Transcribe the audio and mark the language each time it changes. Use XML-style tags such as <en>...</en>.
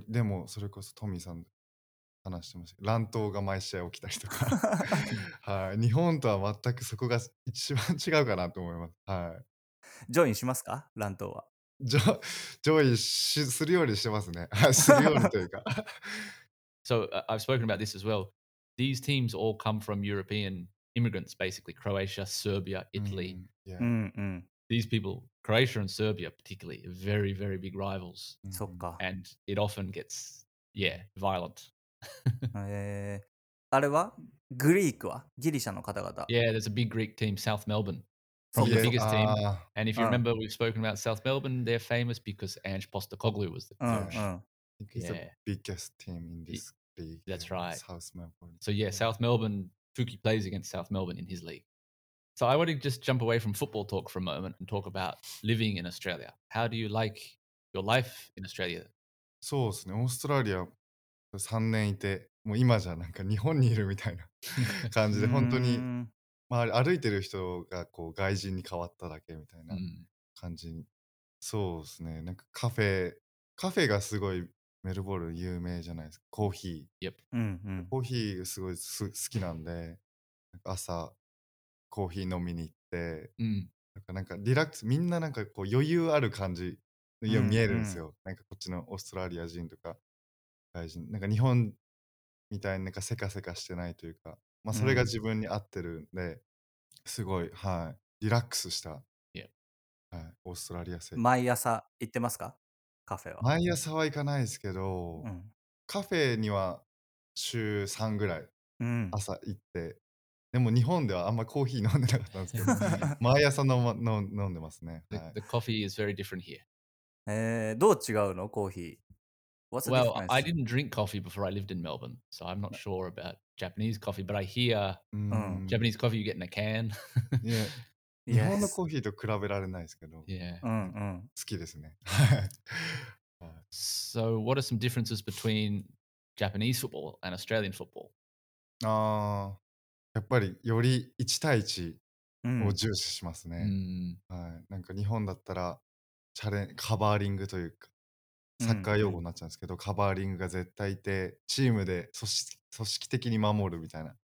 <ja>でもそれこそトミーさん話してました。乱闘が毎試合起きたりとか、はい、日本とは全くそこが一番違うかなと思います。はい。ジョインしますか、乱闘は。ジョインするようにしてますね。するようにというか。</ja> <en>So, I've spoken about this as well. These teams all come from European immigrants, basically. Croatia, Serbia, Italy. Mm, yeah. These people, Croatia and Serbia particularly, are very, very big rivals.</en> <ja>そっか。</ja> <en>And it often gets, yeah, violent.</en> <ja>あれは?グリークは?ギリシャの方々。</ja> <en>Yeah, there's a big Greek team, South Melbourne. Probably the biggest team. And if you remember, we've spoken about South Melbourne, they're famous because Ange Postecoglou was the coach. He's the biggest team in this league. That's right. South Melbourne. So yeah, South Melbourne, Fuki plays against South Melbourne in his league. So I want to just jump away from football talk for a moment and talk about living in Australia. How do you like your life in Australia?</en> <ja>そうですね。オーストラリア3年いて、もう今じゃなんか日本にいるみたいな感じで、本当に、まあ、歩いてる人がこう外人に変わっただけみたいな感じ。そうですね。なんかカフェがすごいメルボルン有名じゃないですか。コーヒー、</ja> <en>yep.</en> <ja>コーヒーすごい好きなんで、なんか朝コーヒー飲みに行って、なんかリラックス、みんななんかこう余裕ある感じのように見えるんですよ、なんかこっちのオーストラリア人とか外人、なんか日本みたいになんかせかせかしてないというか、まあそれが自分に合ってるんで、すごい、はい、リラックスした、</ja> <en>yep.</en> <ja>はい、オーストラリア生活。毎朝行ってますか、カフェは。毎朝は行かないですけど、カフェには週3ぐらい朝行って、でも日本ではあんまコーヒー飲んでなかったんですけど毎朝飲んでますね、はい、</ja> <en>The coffee is very different here、</en> <ja>どう違うのコーヒー。</ja> <en>What's Well, I didn't drink coffee before I lived in Melbourne, so I'm not sure about Japanese coffee, but I hear、Japanese coffee you get in a can. Yeah.</en> <ja>日本のコーヒーと比べられないですけど、好きですね。</ja> <en>So, what are some differences between Japanese football and Australian football?</en> <ja>やっぱりより1対1を重視しますね。はい、なんか日本だったらカバーリングというか、サッカー用語になっちゃうんですけど、カバーリングが絶対いて、チームで組織的に守るみたいな。</ja>